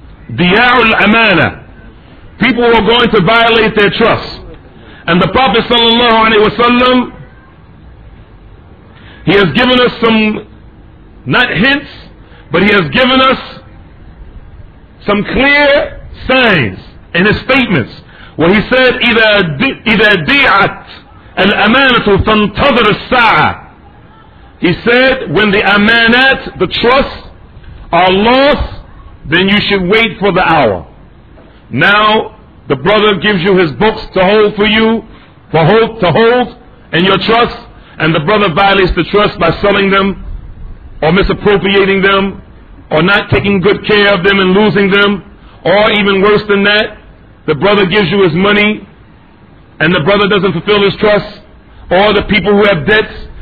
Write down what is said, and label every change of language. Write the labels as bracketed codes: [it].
[en] Diyar al-amana. People who are going to violate their trust. And the Prophet sallallahu alaihi wasallam, he has given us some, not hints, but he has given us some clear signs in his statements. Where he said, [ar] إِذَا دِعَتْ الْأَمَانَةُ فَانْتَظَرِ السَّاعَةِ. [en] He said, when the amanat, the trust, are lost, then you should wait for the hour. Now, the brother gives you his books to hold for you, to hold in your trust, and the brother violates the trust by selling them, or misappropriating them, or not taking good care of them and losing them, or even worse than that, the brother gives you his money, and the brother doesn't fulfill his trust, or the people who have debts.